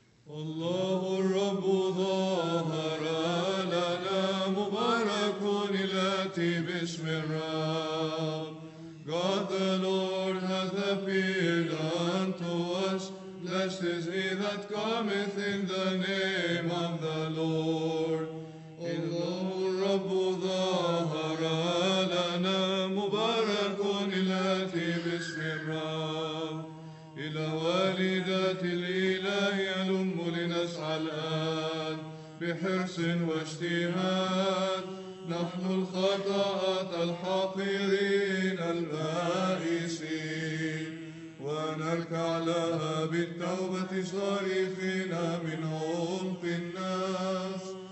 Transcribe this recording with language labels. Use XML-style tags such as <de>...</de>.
<ar>الله الرب ظهر لنا مبارك الاتي باسم الرب.</ar> <en>God the Lord hath appeared unto us, blessed is he that cometh in the name of the Lord.</en> <ar>الله الرب ظهر لنا مبارك الاتي باسم الرب. إلى والدة الإله يلم لنسعى الآن بحرص واجتهاد، نحن الخطأة الحقيرين البائسين، ونركع لها بالتوبة صارخين من عمق الناس.</ar>